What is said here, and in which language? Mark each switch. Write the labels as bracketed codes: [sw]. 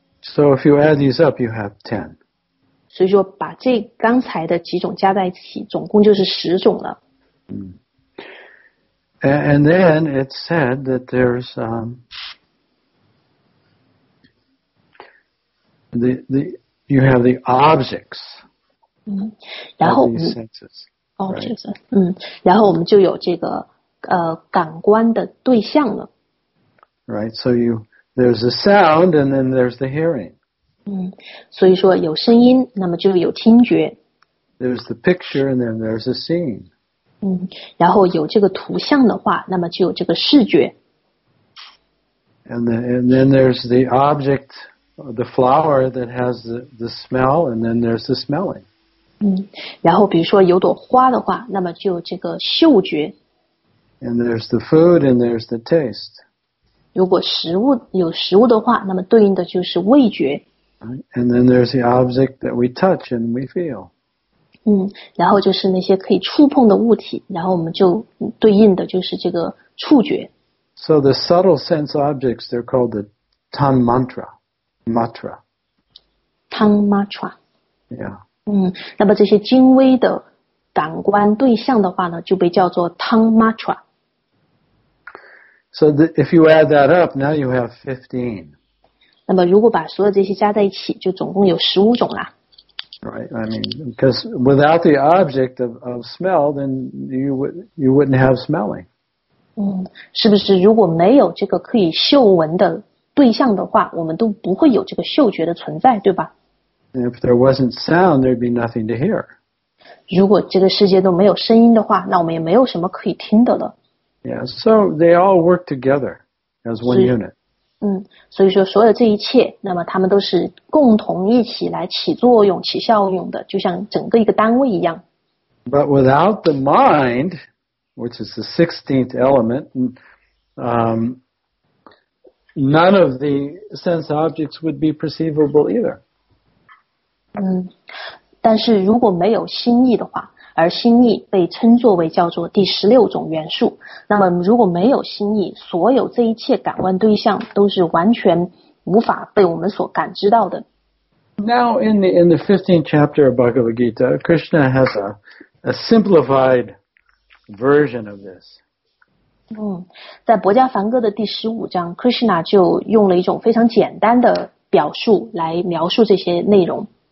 [en] So if you add these up, you have 10. [zh] 所以说把这刚才的几种加在一起，总共就是十种了。 Mm. [en] And then it said that there's you have the objects. [zh] 然后 [en] of these senses. Right. [zh] 然后我们就有这个感官的对象了。 [en] Right, so there's the sound and then there's the hearing. [zh] 所以说有声音，那么就有听觉。 [en] There's the picture and then there's the seeing. [zh] 然后有这个图像的话，那么就有这个视觉。 [en] And then there's the object, the flower that has the smell, and then there's the smelling. [zh] 然后比如说有朵花的话，那么就有这个嗅觉。 [en] And there's the food and there's the taste. [zh] 如果有食物的话，那么对应的就是味觉。 [en] And then there's the object that we touch and we feel. [zh] 然后就是那些可以触碰的物体，然后我们就对应的就是这个触觉。 [en] So the subtle sense objects, they're called the tanmatra. [sa] Tanmatra. [en] Yeah. [zh] 那么这些精微的感官对象的话呢，就被叫做 tanmatra。 [en] So if you add that up, now you have 15. [zh] 那么如果把所有这些加在一起，就总共有15种啦。 [en] Right, I mean, because without the object of smell, then you wouldn't have smelling. [zh] 是不是如果没有这个可以嗅闻的对象的话，我们都不会有这个嗅觉的存在，对吧？ [en] If there wasn't sound, there'd be nothing to hear. [zh] 如果这个世界都没有声音的话，那我们也没有什么可以听的了。 [en] Yeah, so they all work together as one unit. [zh] 所以说所有这一切，那么他们都是共同一起来起作用、起效用的，就像整个一个单位一样。 [en] But without the mind, which is the 16th element, none of the sense objects would be perceivable either. [zh] 但是如果没有心意的话，而心意被称作为叫做第十六种元素，那么如果没有心意，所有这一切感官对象都是完全无法被我们所感知到的。 [en] Now in the 15th chapter of Bhagavad Gita, Krishna has a simplified version of this. [zh] 在博迦梵歌的第十五章， Krishna 就用了一种非常简单的表述来描述这些内容。